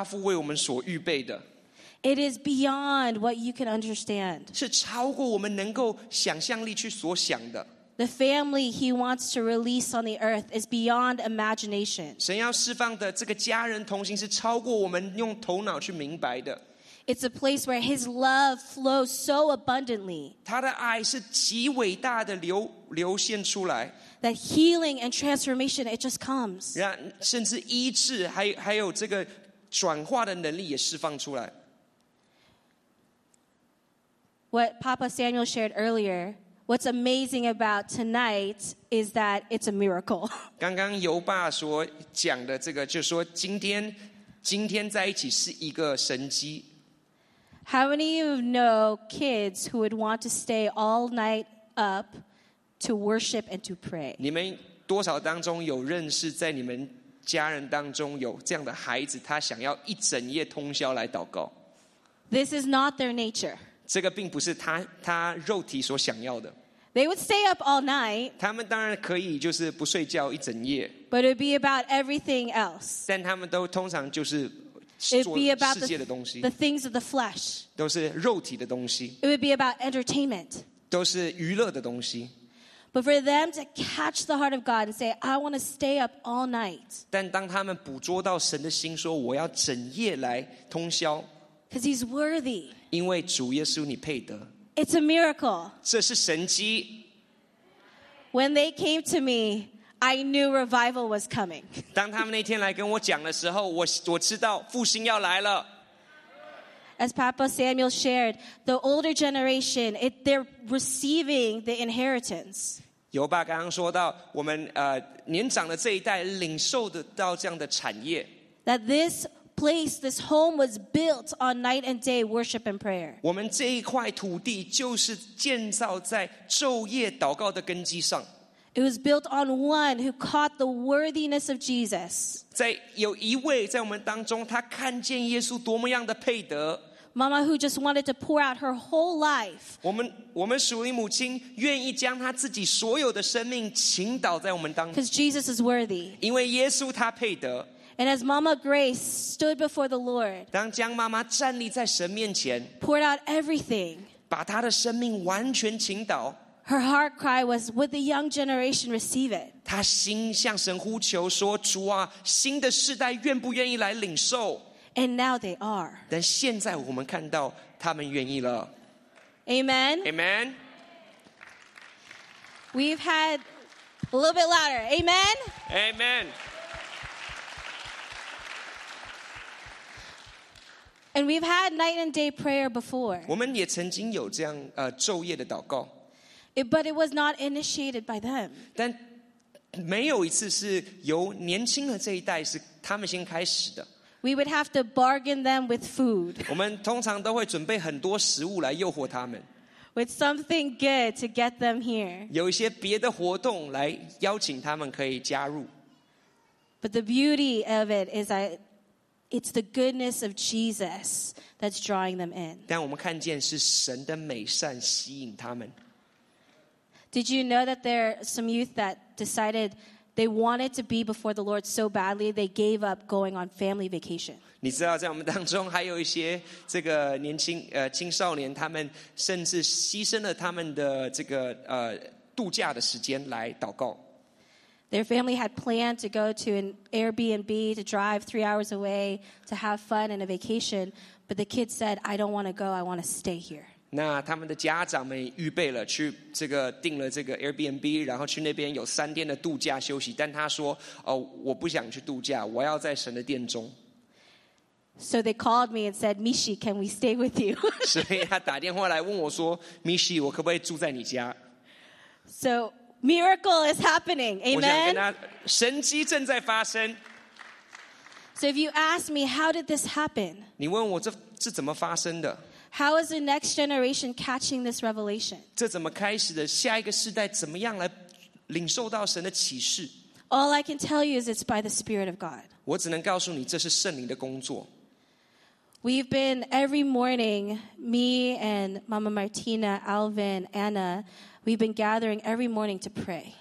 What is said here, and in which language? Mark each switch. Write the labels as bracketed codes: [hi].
[zh] 你没有办法去明白阿爸父为我们所预备的。 [en] It is beyond what you can understand. [zh] 是超过我们能够想象力去所想的。 [en] The family he wants to release on the earth is beyond imagination. [zh] 神要释放的这个家人同心是超过我们用头脑去明白的。 [en] It's a place where his love flows so abundantly. [zh] 他的爱是极伟大的流现出来。 [en] That healing and transformation, it just comes. [zh] 甚至医治还有这个转化的能力也释放出来。 [en] What Papa Samuel shared earlier, what's amazing about tonight is that it's a miracle. [zh] 刚刚尤爸所讲的这个,就是说今天在一起是一个神迹。 [en] How many of you know kids who would want to stay all night up to worship and to pray? [zh] 你们多少当中有认识在你们家人当中有这样的孩子，他想要一整夜通宵来祷告。 [en] This is not their nature. [zh] 这个并不是他肉体所想要的。 [en] They would stay up all night. [zh] 他们当然可以就是不睡觉一整夜。 [en] But it would be about everything else. [zh] 但他们都通常就是做世界的东西。 [en] The things of the flesh. [zh] 都是肉体的东西。 [en] It would be about entertainment. [zh] 都是娱乐的东西。 [en] But for them to catch the heart of God and say, I want to stay up all night. [zh] 但当他们捕捉到神的心说我要整夜来通宵。 [en] Because he's worthy. [zh] 因为主耶稣你配得。 [en] It's a miracle. [zh] 这是神迹。 [en] When they came to me, I knew revival was coming. [zh] 当他们那天来跟我讲的时候，我知道复兴要来了。 [en] As Papa Samuel shared, the older generation, they're receiving the inheritance. [zh] 尤爸刚刚说到，我们年长的这一代领受得到这样的产业。 [en] That this place, this home was built on night and day worship and prayer. [zh] 我们这一块土地就是建造在昼夜祷告的根基上。 [en] It was built on one who caught the worthiness of Jesus. [zh] 在有一位在我们当中，他看见耶稣多么样的配得。 [en] Mama who just wanted to pour out her whole life. [zh] 我们属灵母亲愿意将她自己所有的生命倾倒在我们当中。 [en] Because Jesus is worthy. [zh] 因为耶稣他配得。 [en] And as Mama Grace stood before the Lord. [zh] 当将妈妈站立在神面前。 [en] Poured out everything. [zh] 把她的生命完全倾倒。 [en] Her heart cry was, "Would the young generation receive it?" [zh] 她心向神呼求说，主啊，新的世代愿不愿意来领受？ [en] And now they are. [zh] 但现在我们看到他们愿意了。 [en] Amen. Amen. We've had a little bit louder. Amen. Amen. And we've had night and day prayer before. [zh] 我们也曾经有这样昼夜的祷告。 [en] But it was not initiated by them. [zh] 但没有一次是由年轻的这一代是他们先开始的。 [en] We would have to bargain them with food. [zh] 我们通常都会准备很多食物来诱惑他们。 [en] With something good to get them here. [zh] 有一些别的活动来邀请他们可以加入。 [en] But the beauty of it is that it's the goodness of Jesus that's drawing them in. [zh] 但我们看见是神的美善吸引他们。 [en] Did you know that there are some youth that decided they wanted to be before the Lord so badly they gave up going on family vacation? [zh] 你知道在我们当中还有一些这个年轻青少年，他们甚至牺牲了他们的这个度假的时间来祷告。 [en] Their family had planned to go to an Airbnb to drive 3 hours away to have fun and a vacation, but the kids said, "I don't want to go. I want to stay here." [zh] 那他们的家长们预备了去这个订了这个 Airbnb， 然后去那边有3天的度假休息。但他说：“哦，我不想去度假，我要在神的殿中。” [en] So they called me and said, "Mishi, can we stay with you?" [zh] 所以他打电话来问我说 ：“Mishi， 我可不可以住在你家 [en] ？”So miracle is happening. Amen. [zh] 我想跟他，神迹正在发生。 [en] So if you ask me, how did this happen? [zh] 你问我这怎么发生的？ [en] How is the next generation catching this revelation? [zh] 这怎么开始的？下一个世代怎么样来领受到神的启示？ [en] All I can tell you is it's by the Spirit of God. [zh] 我只能告诉你，这是圣灵的工作。 [en] We've been every morning, me and Mama Martina, Alvin, Anna, we've been gathering every morning to pray.